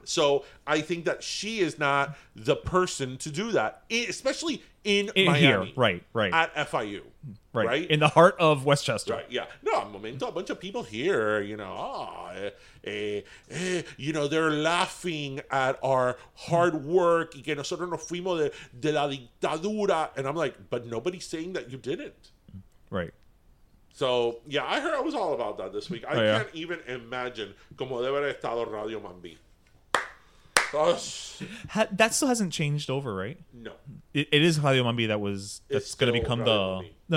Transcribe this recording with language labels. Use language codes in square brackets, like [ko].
[en] So I think that she is not the person to do that, especially in Miami. Here, right. At FIU. Right. In the heart of Westchester. Right, yeah. No, Momento, a bunch of people here, you know, you know, they're laughing at our hard work. [es] Y que nosotros nos fuimos de la dictadura. [en] And I'm like, but nobody's saying that you didn't. Right. So, yeah, I heard I was all about that this week. I can't even imagine [es] como debe haber estado [en] Radio Mambi. That still hasn't changed over, right? No. It is Radio Mambi that's going to become Radio the...